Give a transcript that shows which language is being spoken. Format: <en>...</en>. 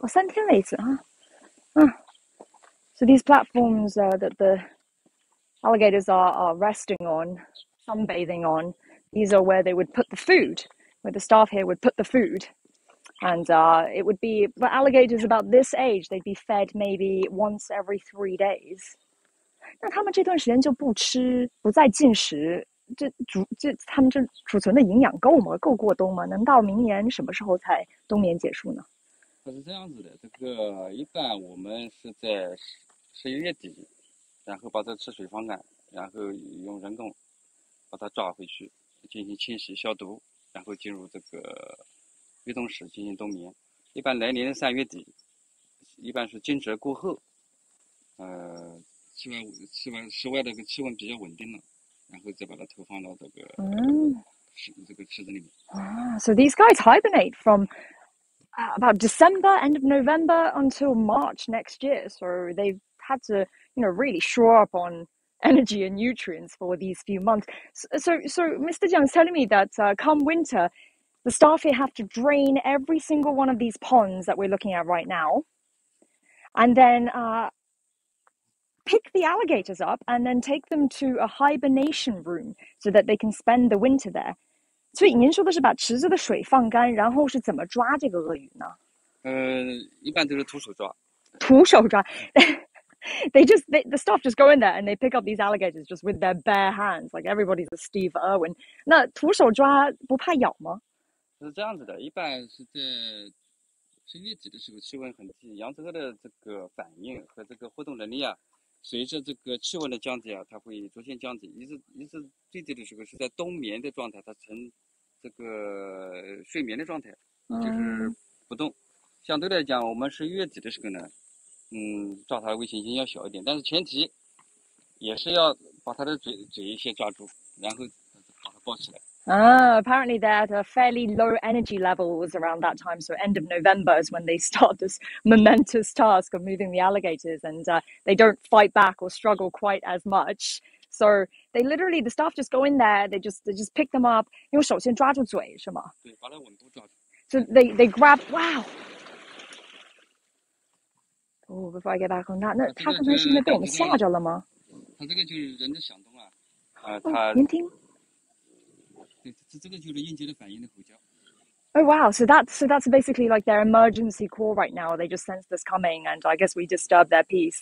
<zh>哦，3天喂一次啊，</zh> <en>So these platforms that the alligators are resting on, sunbathing on, these are where they would put the food, where the staff here would put the food, and it would be but alligators about this age, they'd be fed maybe once every 3 days.</en> <zh>那他们这段时间就不吃，不再进食，他们这储存的营养够吗？够过冬吗？能到明年什么时候才冬眠结束呢？它是这样子的，这个一般我们是在11月底，然后把这池水放干，然后用人工把它抓回去，进行清洗消毒，然后进入这个喂冬室进行冬眠。一般来年的3月底，一般是惊蛰过后，室外的这个气温比较稳定了，然后再把它投放到这个池子里面。</zh> <en>So these guys hibernate from about December, end of November until March next year. So they've had to, really shore up on energy and nutrients for these few months. So Mr. Jiang's telling me that come winter, the staff here have to drain every single one of these ponds that we're looking at right now, and then pick the alligators up and then take them to a hibernation room so that they can spend the winter there.</en> <zh>所以您说的是把池子的水放干，然后是怎么抓这个鳄鱼呢？一般都是徒手抓。徒手抓</zh> <en>the staff just go in there and they pick up these alligators just with their bare hands, like everybody's a Steve Irwin.</en> <zh>那徒手抓不怕咬吗？是这样子的，一般是在11月底的时候，气温很低，羊驼的这个反应和这个活动能力啊，随着这个气温的降低啊，它会逐渐降低。一直最低的时候是在冬眠的状态，它呈这个睡眠的状态，就是不动。相对来讲，我们11月底的时候呢，抓它的危险性要小一点，但是前提也是要把它的嘴先抓住，然后把它抱起来。</zh> <en>Apparently they're at a fairly low energy levels around that time. So end of November is when they start this momentous task of moving the alligators, and they don't fight back or struggle quite as much. So they literally the staff just go in there. They just pick them up.</en> <zh>用手先抓住嘴是吗？对，把它稳住抓住。</zh> <en>So they grab. Wow. Oh, before I get back on that,</en> <zh>那他刚才是不是被我们吓着了吗？它这个就是人的响动啊，哦，它，您听。对，这个就是应急的反应的吼叫。</zh> <en>Oh wow, so that's basically like their emergency call right now. They just sense this coming, and I guess we disturb their peace.</en>